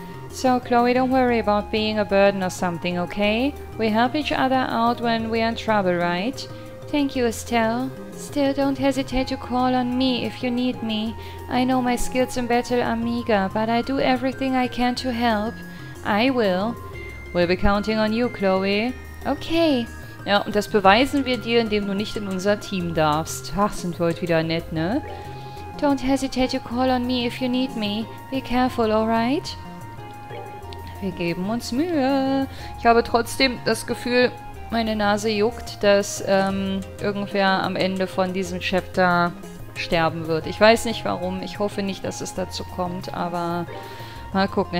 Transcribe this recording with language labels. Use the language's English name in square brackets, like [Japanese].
[English] So, Chloe, don't worry about being a burden or something, okay? We help each other out when we're in trouble, right? Thank you, Estelle. Still, don't hesitate to call on me if you need me. I know my skills in battle are meager, but I do everything I can to help. I will. We'll be counting on you, Chloe. Okay. [German] Ja, und das beweisen wir dir, indem du nicht in unser Team darfst. Ach, sind wir heute wieder nett, ne? [English] Don't hesitate to call on me if you need me. Be careful, alright? [German] Wir geben uns Mühe. Ich habe trotzdem das Gefühl, meine Nase juckt, dass irgendwer am Ende von diesem Chapter sterben wird. Ich weiß nicht warum. Ich hoffe nicht, dass es dazu kommt, aber mal gucken.